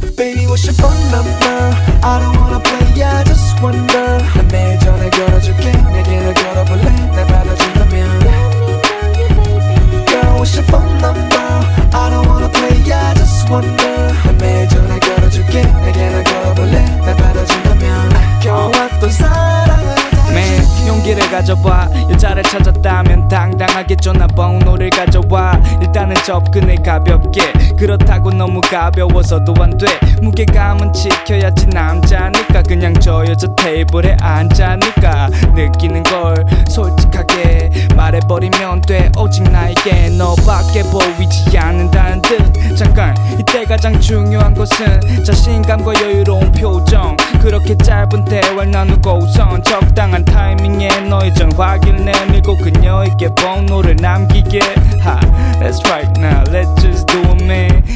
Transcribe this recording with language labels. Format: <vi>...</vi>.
<en>Baby, what's your phone number? I don't wanna play, I just wonder.</en> <ko>난 매일 전화 걸어줄게. 내게로 걸어볼래? 날 받아준다면.</ko> <en>Girl, what's your phone number? I don't wanna play, I just wonder.</en> <ko>난 매일 전화 걸어줄게. 내게로 걸어볼래? 날 받아준다면. 겨웠던 사랑을 용기를 가져봐. 여자를 찾았다면 당당하게 전화번호를 가져와. 일단은 접근해 가볍게. 그렇다고 너무 가벼워서도 안 돼. 무게감은 지켜야지 남자니까. 그냥 저 여자 테이블에 앉자니까. 느끼는 걸 솔직하게 말해버리면 돼. 오직 나에게 너밖에 보이지 않는다는 듯. 잠깐, 이때 가장 중요한 것은 자신감과 여유로운 표정. 그렇게 짧은 대화를 나누고 우선 적당한 타이밍에 너의 전화기를 내밀고 그녀에게 번호를 남기게.</ko> <en>Ha, that's right now, let's just do it, man.</en>